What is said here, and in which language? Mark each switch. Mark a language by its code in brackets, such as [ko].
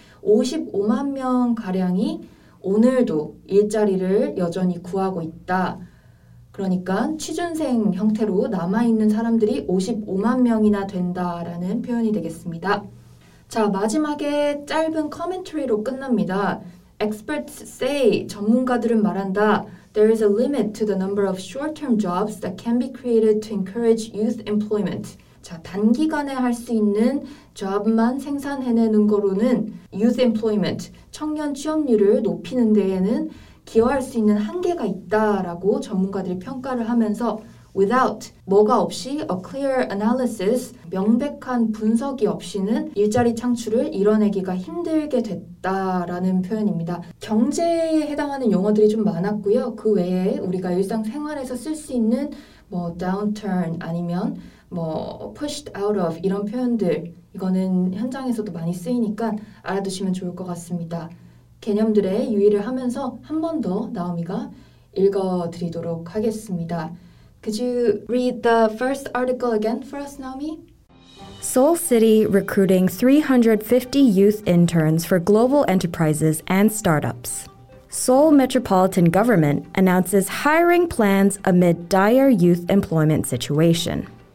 [ko] 55만 명 가량이 오늘도 일자리를 여전히 구하고 있다. 그러니까 취준생 형태로 남아있는 사람들이 55만 명이나 된다라는 표현이 되겠습니다. 자, 마지막에 짧은 커멘터리로 끝납니다. [en] Experts say, [ko] 전문가들은 말한다. [en] There is a limit to the number of short-term jobs that can be created to encourage youth employment. [ko] 자, 단기간에 할 수 있는 job만 생산해내는 거로는 youth employment, 청년 취업률을 높이는 데에는 기여할 수 있는 한계가 있다라고 전문가들이 평가를 하면서 without, 뭐가 없이 [en] a clear analysis, [ko] 명백한 분석이 없이는 일자리 창출을 이뤄내기가 힘들게 됐다라는 표현입니다. 경제에 해당하는 용어들이 좀 많았고요. 그 외에 우리가 일상생활에서 쓸 수 있는 뭐 downturn 아니면 뭐 pushed out of 이런 표현들, 이거는 현장에서도 많이 쓰이니까 알아두시면 좋을 것 같습니다. 개념들의 유의를 하면서 한 번 더 나오미가 읽어드리도록 하겠습니다. [en] Could you read the first article again for us, Naomi? Seoul City recruiting 350 youth interns for global enterprises and startups. Seoul Metropolitan Government announces hiring plans amid dire youth employment situation.